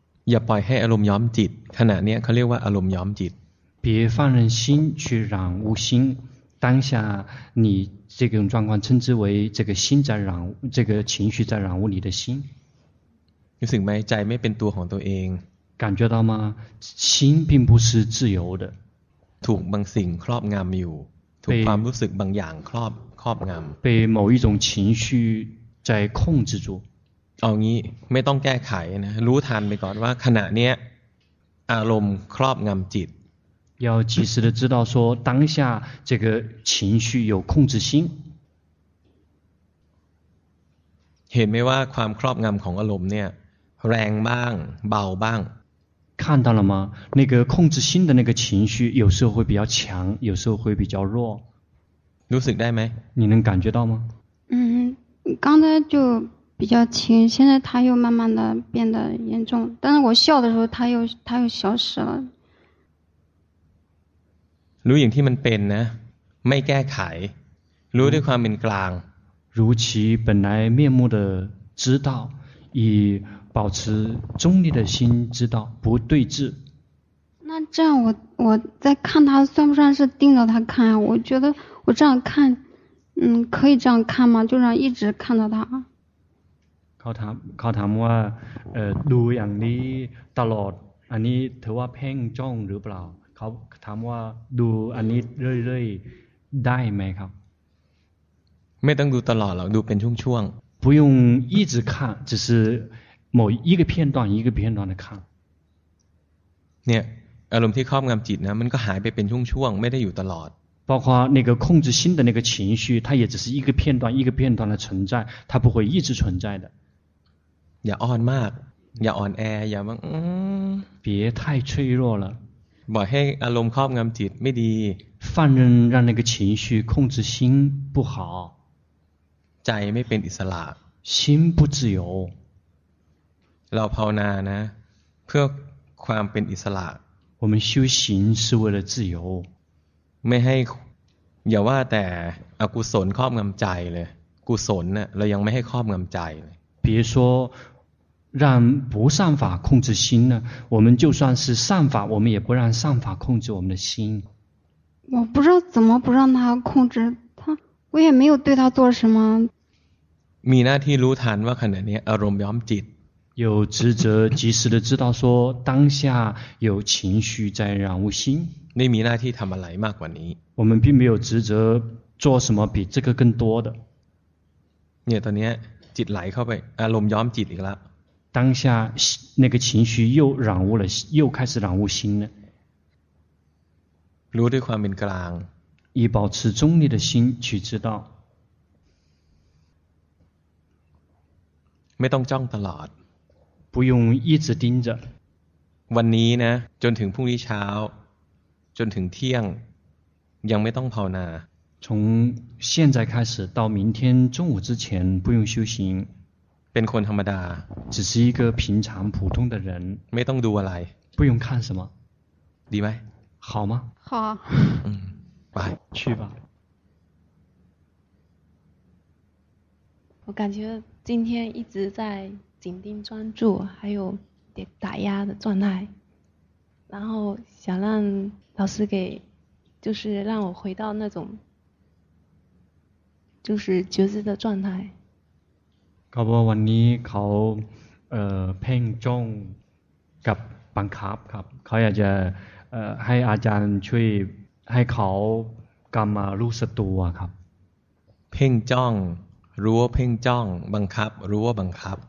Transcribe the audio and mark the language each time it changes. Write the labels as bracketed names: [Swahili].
[Thai] อย่าปล่อยให้อารมณ์ย้อมจิตขณะนี้เขาเรียกว่าอารมณ์ย้อมจิต [Chinese] 别放任心去染污心当下你这种状况称之为这个心在染污这个情绪在染污你的心 [Thai] รู้สึกไหมใจไม่เป็นตัวของตัวเอง [Chinese] 感觉到吗心并不是自由的 [Thai] ถูกบางสิ่งครอบงำอยู่ถูกความรู้สึกบางอย่างครอบงำ [Chinese] 被某一种情绪在控制住 [Thai] เอางี้ไม่ต้องแก้ไขนะรู้ทันไปก่อนว่าขณะนี้อารมณ์ครอบงำจิต [Chinese] 要及时的知道说当下这个情绪有控制心 [Thai] เห็นไหมว่าความครอบงำของอารมณ์เนี่ยแรงบ้างเบาบ้าง [Chinese] 看到了吗那个控制心的那个情绪有时候会比较强有时候会比较弱 [Thai] รู้สึกได้ไหม [Chinese] 你能感觉到吗刚才就比较轻现在他又慢慢的变得严重但是我笑的时候他又消失了 [Thai] รู้อย่างที่มันเป็นนะไม่แก้ไขรู้ด้วยความเป็นกลาง รู้ [Chinese] 其本来面目的知道以保持中立的心知道不对峙那这样我在看他算不算是盯着他看我觉得我这样看可以这样看吗就这样一直看着他 [Thai] เขาถามว่าดูอย่างนี้ตลอดอันนี้ถือว่าเพ่งจ้องหรือเปล่าเขาถามว่าดูอันนี้เรื่อยๆได้ไหมครับ ไม่ต้องดูตลอดหรอกดูเป็นช่วง [Chinese] ๆ不用一直看只是某一个片段一个片段的看 [Thai] เนี่ยอารมณ์ที่ครอบงำจิตนะมันก็หายไปเป็นช่วงๆไม่ได้อยู่ตลอด [Chinese] 包括那个控制心的那个情绪它也只是一个片段一个片段的存在它不会一直存在的 [Thai] อย่าอ่อนมากอย่าอ่อนแออย่ามัง [Chinese] 别太脆弱了 [Thai] บ่ให้อารมณ์ครอบงำจิตไม่ดี [Chinese] 放任让那个情绪控制心不好 [Thai] ใจไม่เป็นอิสระ [Chinese] 心不自由 [Thai] เราภาวนานะเพื่อความเป็นอิสระ [Chinese] 我们修行是为了自由 [Thai] ไม่ให้อย่าว่าแต่อกุศลครอบงำใจเลยกุศลน่ะเรายังไม่ให้ครอบงำใจเลย [Chinese] 别说让不善法控制心呢我们就算是善法我们也不让善法控制我们的心我不知道怎么不让他控制他我也没有对他做什么 [Thai] มีหน้าที่รู้ทันว่าขณะนี้อารมณ์ย้อมจิต [Chinese] 有职责及时的知道说当下有情绪在染污心你 [Thai] มีหน้าที่ทำอะไรมากกว่านี้ [Chinese] 我们并没有职责做什么比这个更多的 [Thai] เนี่ยตอนนี้จิตไหลเข้าไปอารมณ์ย้อมจิตอีกแล้ว [Chinese] 当下那个情绪又染污了，又开始染污心了。 [Thai] รู้ด้วยความเป็นกลาง， [Chinese] 以保持中立的心去知道。 [Thai] ไม่ต้องจ้องตลอด， [Chinese] 不用一直盯着。 [Thai] วันนี้นะจนถึงพรุ่งนี้เช้าจนถึงเที่ยงยังไม่ต้องภาวนา [Chinese] 从现在开始到明天中午之前不用修行 [Thai] เป็นคนธรรมดา [Chinese] 只是一个平常普通的人 [Thai] ไม่ต้องดูอะไร [Chinese] 不用看什么 [Thai] ดีไหม [Chinese] 好吗好 [Thai] ไป [Chinese] 去吧我感觉今天一直在紧盯专注还有打压的状态然后想让老师给就是让我回到那种就是觉知的状态 [Thai] เขาบอกวันนี้เขาเพ่งจ้องกับบังคับครับเขาอยากจะให้อาจารย์ช่วยให้เขากลับมารู้สตัวครับ เพ่งจ้องรู้ว่าเพ่งจ้องบังคับรู้ว่าบังคับ